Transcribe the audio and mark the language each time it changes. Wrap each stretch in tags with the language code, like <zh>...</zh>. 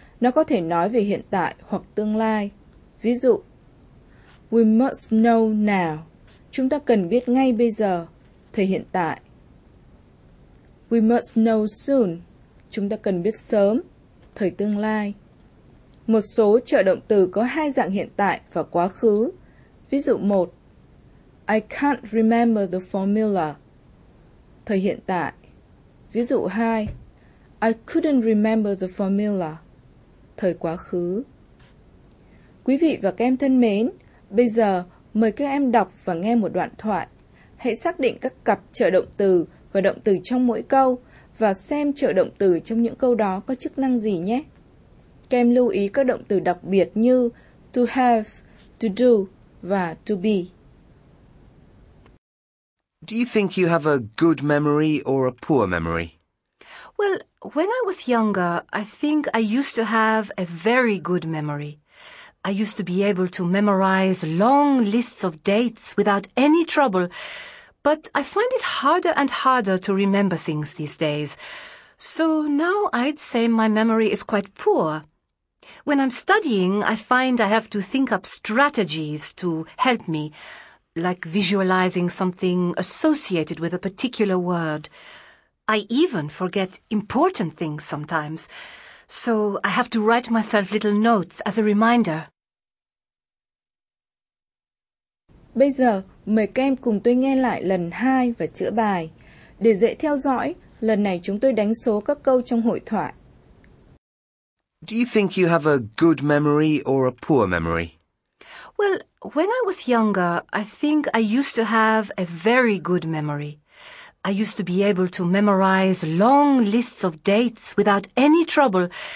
<vi>Nó có thể nói về hiện tại hoặc tương lai. Ví dụ,</vi> <en>we must know now.</en> <vi>Chúng ta cần biết ngay bây giờ, thời hiện tại.</vi> <en>We must know soon.</en> <vi>Chúng ta cần biết sớm, thời tương lai. Một số trợ động từ có hai dạng hiện tại và quá khứ. Ví dụ 1.</vi> <en>I can't remember the formula.</en> <vi>Thời hiện tại. Ví dụ 2.</vi> <en>I couldn't remember the formula.</en> <vi>Thời quá khứ. Quý vị và các em thân mến, bây giờ mời các em đọc và nghe một đoạn thoại. Hãy xác định các cặp trợ động từ và động từ trong mỗi câu và xem trợ động từ trong những câu đó có chức năng gì nhé. Các em lưu ý các động từ đặc biệt như to have, to do và to be.</vi> <en>Do you think you have a good memory or a poor memory? Well, when I was younger, I think I used to have a very good memory. I used to be able to memorize long lists of dates without any trouble, but I find it harder and harder to remember things these days. So now I'd say my memory is quite poor. When I'm studying, I find I have to think up strategies to help me, like visualizing something associated with a particular word. I even forget important things sometimes, so I have to write myself little notes as a reminder.</en> <vi>Bây giờ, mời các em cùng tôi nghe lại lần 2 và chữa bài. Để dễ theo dõi, lần này chúng tôi đánh số các câu trong hội thoại.</vi> <en>Do you think you have a good memory or a poor memory? Well, when I was younger, I think I used to have a very good memory. I used to be able to memorize long lists of dates without any trouble.</en>